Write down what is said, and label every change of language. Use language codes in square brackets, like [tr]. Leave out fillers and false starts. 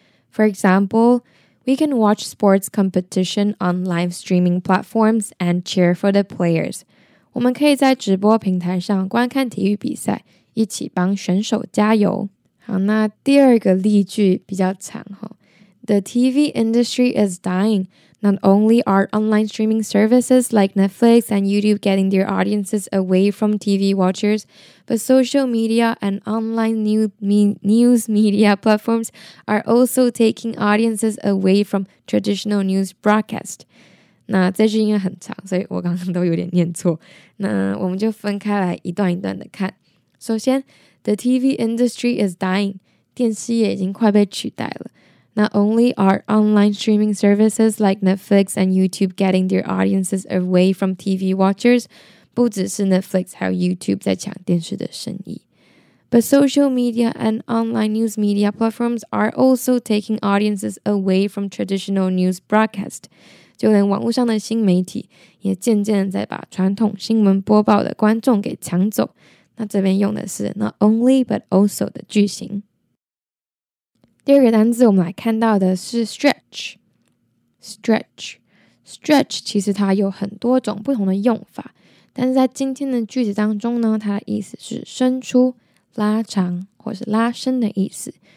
[en] For example, we can watch sports competition on live streaming platforms and cheer for the players. [zh] 我们可以在直播平台上观看体育比赛，一起帮选手加油。好，那第二个例句比较长哦。 [en] The TV industry is dying. Not only are online streaming services like Netflix and YouTube getting their audiences away from TV watchers, but social media and online news media platforms are also taking audiences away from traditional news broadcast. [zh] 那这句因为很长，所以我刚刚都有点念错。那我们就分开来一段一段的看。首先 [en] ，The TV industry is dying. [zh] 电视业已经快被取代了。 [en] Not only are online streaming services like Netflix and YouTube getting their audiences away from TV watchers, [zh] 不只是 Netflix 还有 YouTube 在抢电视的生意。 [en] But social media and online news media platforms are also taking audiences away from traditional news broadcast. [zh] 就连网络上的新媒体也渐渐在把传统新闻播报的观众给抢走。那这边用的是 [en] not only but also [zh] 的句型。第二个单字我们来看到的是 stretch， stretch， stretch， 其实它有很多种不同的用法，但是在今天的句子当中呢，它的意思是伸出、拉长或是拉伸的意思。